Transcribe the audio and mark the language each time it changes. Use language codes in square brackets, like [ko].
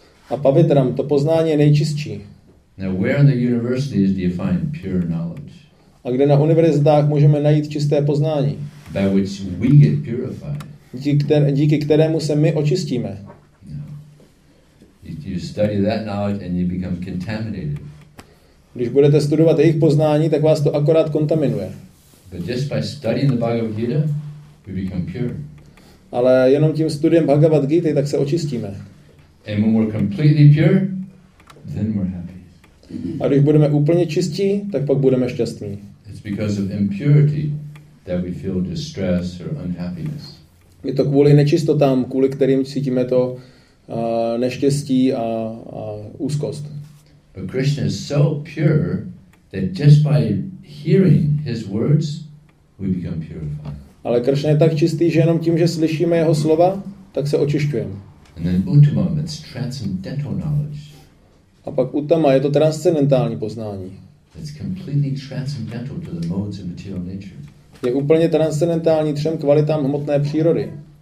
[cs] A Pavitram, to poznání je nejčistší. [en] Now where in the universities do you find pure knowledge? [cs] A kde na univerzitách můžeme najít čisté poznání? [en] By which we get purified. [cs] Díky kterému se my očistíme. [en] No. You study that knowledge and you become contaminated. [cs] Když budete studovat jejich poznání, tak vás to akorát kontaminuje. [en] But just by studying the Bhagavad Gita, we become pure. [cs] Ale jenom tím studiem Bhagavad Gita, tak se očistíme. [en] And when we're completely pure, then we're happy. [cs] A když budeme úplně čistí, tak pak budeme šťastní. [en] It's because of impurity that we feel distress or unhappiness. [cs] Je to kvůli nečistotám, kvůli kterým cítíme to neštěstí a úzkost. [en] But Krishna is so pure that just by hearing his words we become purified. [cs] Ale Krishna je tak čistý, že jenom tím, že slyšíme jeho slova, tak se očišťujeme. [en] And then ultimately it's transcendental knowledge. [cs] A pak Uttama je to transcendentální poznání. [en] It's completely transcendental to the modes of material nature. [cs] Je úplně transcendentální třem kvalitám hmotné přírody.